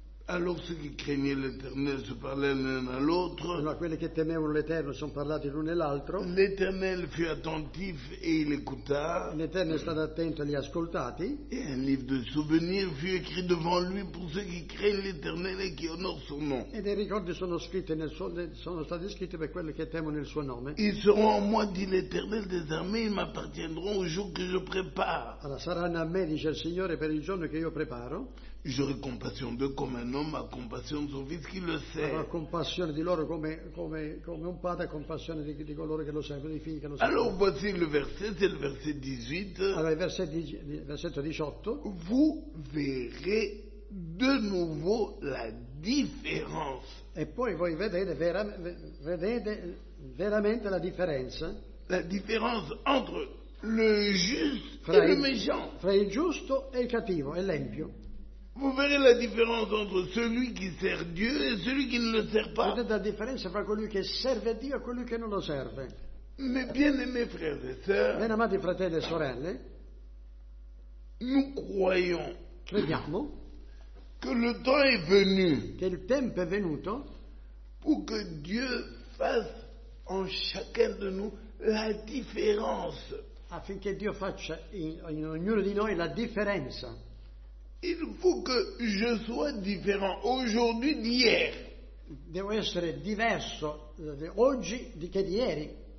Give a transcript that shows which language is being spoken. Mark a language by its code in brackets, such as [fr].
[fr] Alors ceux qui craignaient l'Éternel se parlaient l'un à l'autre. [it] Allora, quelli che temevano l'Eterno sono parlati l'un e l'altro. [fr] L'Éternel fut attentif et il écouta. [it] L'Eterno è stato attento e li ha ascoltati. [fr] Et un livre de souvenirs fut écrit devant lui pour ceux qui craignent l'Éternel et qui honorent son nom. [it] E dei ricordi sono scritti nel suo, sono stati scritti per quelli che temono il suo nome. [fr] Ils seront en moi, dit l'Éternel des armées, ils m'appartiendront au jour que je prépare. [it] Allora, saranno a me, dice il Signore, per il giorno che io preparo. [fr] J'aurai compassion d'eux comme un homme a compassion de son fils qui le sait. [it] Avrò compassione di loro come un padre ha compassione di coloro che lo seguono, dei figli che lo seguono. [fr] Alors voici le verset, c'est le verset 18. [it] Allora, versetto 18. [fr] Vous verrez de nouveau la différence. [it] E poi voi vedete veramente la differenza. [fr] La différence entre le juste et le méchant. [it] Fra il giusto e il cattivo, e l'empio. [fr] Vous verrez la différence entre celui qui sert Dieu et celui qui ne le sert pas. [it] Vedete la differenza fra colui che serve Dio e colui che non lo serve. [fr] Mes bien-aimés frères et sœurs. [it] Ben amati fratelli e sorelle. [fr] Nous croyons. [it] Crediamo. [fr] Que le temps est venu. [it] Che il tempo è venuto. [fr] Pour que Dieu fasse en chacun de nous la différence. [it] Affinché Dio faccia in ognuno di noi la differenza. [fr] Il faut que je sois différent aujourd'hui d'hier. [it] Devo essere diverso oggi di che di ieri.